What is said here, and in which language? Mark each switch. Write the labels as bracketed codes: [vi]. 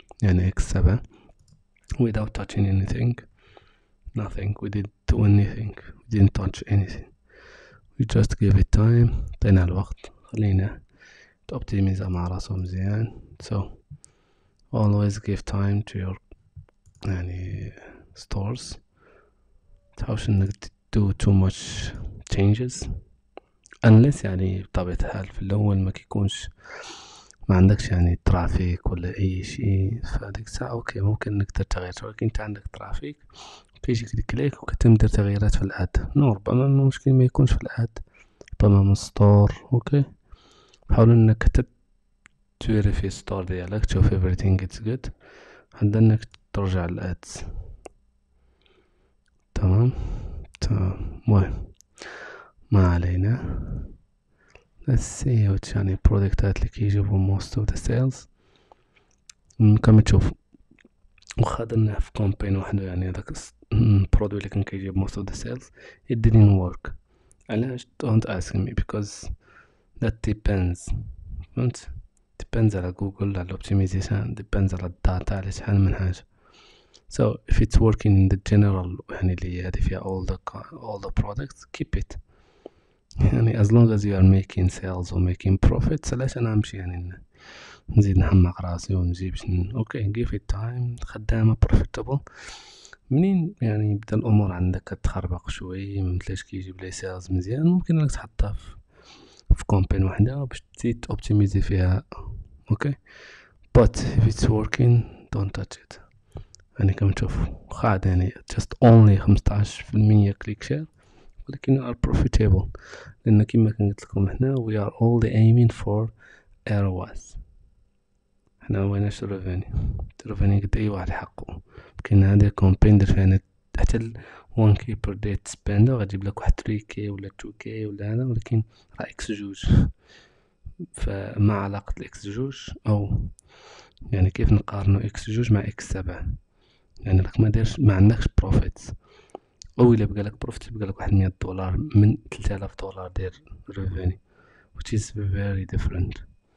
[en] يعني X7 without touching anything. Nothing, we didn't do anything, we didn't touch anything, we just gave it time. [ar] طينا الوقت خلينا optimize مع راسه مزيان. [en] So always give time to your يعني stores. Shouldn't do too much changes unless [ar] يعني بطبيعة الحال في الأول ما كيكونش ما عندكش يعني ترافيك ولا أي شيء. فهذيك الساعة أوكي ممكن إنك تدير تغيير. ولكن أنت عندك ترافيك كيجي كليك وكتم دير تغييرات في الأد. نو ربما المشكل ما يكونش في الأد, ربما من ستور. أوكي, حاول إنك تفيري في ستور ديالك تشوف [en] everything it's good [ar] عند إنك ترجع الأد. تمام. تمام, مهم ما علينا. [en] let's see which يعني product [ar] هات لك يجيبوا [en] most of the sales. [ar] ممكن تشوف وخدنا في campaign وحده يعني هذاك product اللي كان كيجيب [en] most of the sales it didn't work. علاش؟ don't ask me because that depends. [ar] فهمت؟ depends على جوجل على الاوبتمايزيشن depends على الداتا على شحال من حاجة. [en] So if it's working in the general يعني [ar] اللي هذه فيها [en] all the products keep it. يعني as long as you are making sales or making profits [ar] علاش انا امشي يعني نزيد نحمق راسي ونجيب [en] Okay give it time خدامة profitable. [ar] منين يعني يبدا الامور عندك تخربق شوي مثلاش كيجيب لي سيلز مزيان ممكن انك تحطها في كومبين وحده باش تزيد اوبتيميزي فيها. [en] Okay but if it's working don't touch it. [ar] يعني كما تشوف خاد يعني just only 15% كليك شير ولكن are profitable لان كما قلت لكم احنا [en] we are all the aiming for ROAS. [ar] احنا ويناش الريفاني الريفاني قد اي واحد حقه كاين هذا كومبين درت فيه حتى 1 كي بير دي سبيند غتجيب لك واحد 3 كي ولا 2 كي ولا هذا ولكن راه اكس جوج فما علاقة الاكس جوج او يعني كيف نقارنو اكس جوج مع اكس 7 يعني راك ما دايرش ما عندكش بروفيت او الا بقى لك بروفيت بقى لك واحد 100 دولار من 3000 دولار دير ريفيني [en] which is very different.